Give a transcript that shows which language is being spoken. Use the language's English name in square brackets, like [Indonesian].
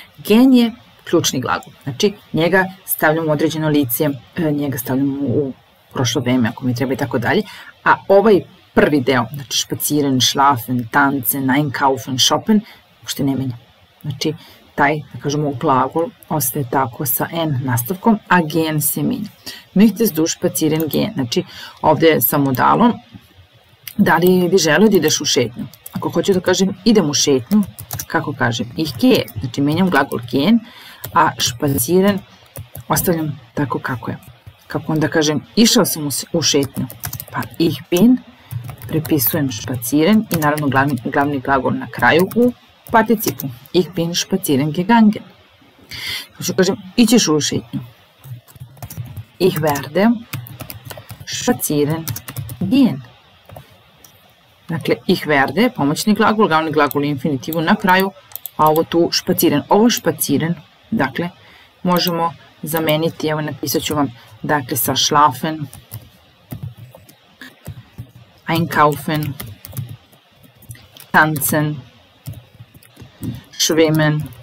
[Serbian] Gen je ključni glagol. Znači, njega stavljamo u određeno lice, njega stavljamo u prošlo vreme, ako mi treba i tako dalje. A ovaj prvi deo, znači špaciren, šlafen, tancen, einkaufen, šopen, uopšte ne menja. Znači, taj, da kažemo, glagol ostaje tako sa n nastavkom, a gen se menja. [German] Möchtest du spazieren gehen? [Serbian] Znači, ovdje sam mu dalo. Da li bi želeo da ideš u šetnju? Ako hoću da kažem idem u šetnju, kako kažem? [German] Ich gehe, [Serbian] znači menjam glagol gehen, a spazieren ostavljam tako kako je. Kako onda kažem išao sam u šetnju? Pa [German] ich bin, [Serbian] prepisujem spazieren i naravno glavni glagol na kraju u participu. [German] Ich bin spazieren gegangen. [Serbian] Hoću kažem ićeš u šetnju. [German] Ich werde spazieren gehen. [Serbian] Dakle, [German] ich werde, [Serbian] pomoćni glagol, glavni glagol infinitivu na kraju, a ovo tu špaciren. Ovo špaciren, dakle, možemo zameniti, evo napisat ću vam, dakle, sa schlafen, einkaufen, tanzen, schwimmen.